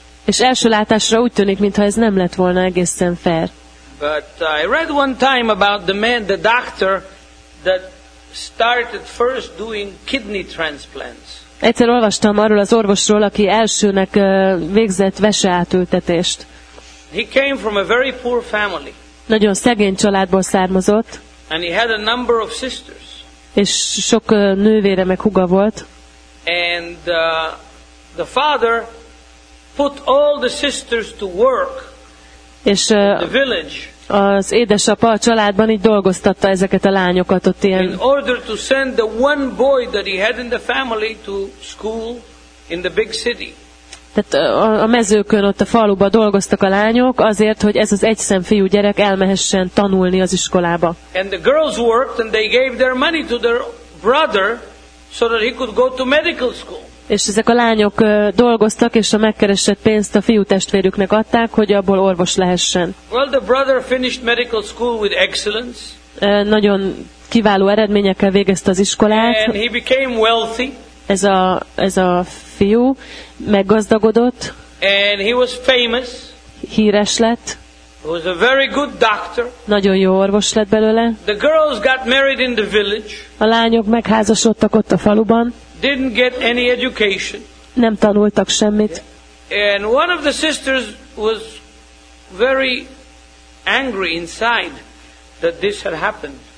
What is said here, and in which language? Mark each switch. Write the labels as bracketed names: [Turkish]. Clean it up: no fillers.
[Hungarian] És első látásra úgy tűnik, mintha ez nem lett volna egészen fair. [English] But I read one time about the man, the doctor, that started first doing kidney transplants. [Hungarian] Egyszer olvastam arról az orvosról, aki elsőnek végzett veseátültetést. [English] He came from a very poor family. [Hungarian] Nagyon szegény családból származott. [English] And he had a number of sisters. [Hungarian] És sok nővére meg húga volt. [English] And the father put all the sisters to work. [Hungarian] És az édesapa a családban így dolgoztatta ezeket a lányokat ott ilyen. [English] In order to send the one boy that he had in the family to school in the big city. [Hungarian] Tehát a mezőkön ott a faluban dolgoztak a lányok azért, hogy ez az egy szem fiú gyerek elmehessen tanulni az iskolába. [English] And the girls worked and they gave their money to their brother so that he could go to medical school. [Hungarian] És ezek a lányok dolgoztak, és a megkeresett pénzt a fiú testvérüknek adták, hogy abból orvos lehessen. [English] Well, the brother finished medical school with excellence. [Hungarian] Nagyon kiváló eredményekkel végezte az iskolát. [English] And he became wealthy. [Hungarian] Ez a fiú meggazdagodott. [English] And he was famous. [Hungarian] Híres lett. [English] He was a very good doctor. [Hungarian] Nagyon jó orvos lett belőle. [English] The girls got married in the village. [Hungarian] A lányok megházasodtak ott a faluban. [English] Didn't get any education. [Hungarian] Nem tanultak semmit. [English] And one of the sisters was very angry inside that this had happened.